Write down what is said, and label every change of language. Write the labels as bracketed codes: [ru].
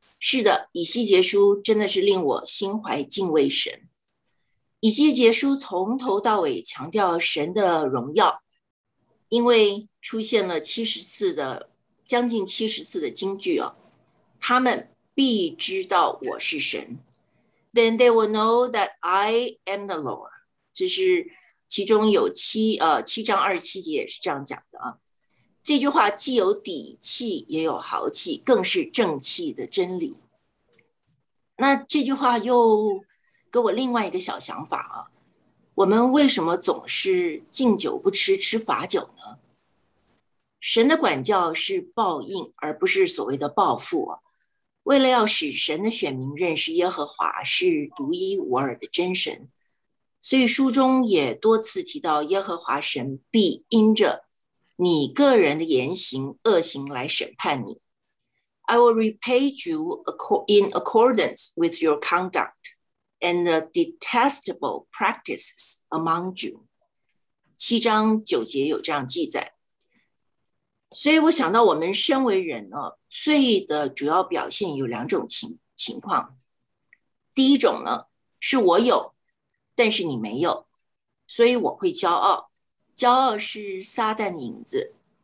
[zh] 是的，以西结书真的是令我心怀敬畏神。以西结书从头到尾强调神的荣耀，因为出现了将近70次的金句啊，他们必知道我是神。 [en] Then they will know that I am the Lord. [zh] 这是其中有7:27也是这样讲的啊。这句话既有底气，也有豪气，更是正气的真理。那这句话又给我另外一个小想法啊，我们为什么总是敬酒不吃吃罚酒呢？神的管教是报应，而不是所谓的报复啊。为了要使神的选民认识耶和华是独一无二的真神，所以书中也多次提到耶和华神必因着你个人的言行恶行来审判你。 [en] I will repay you in accordance with your conduct and the detestable practices among you. [zh] 7:9有这样记载。所以我想到我们身为人呢，罪的主要表现有两种情况。第一种呢，是我有但是你没有，所以我会骄傲，骄傲是撒旦的影子。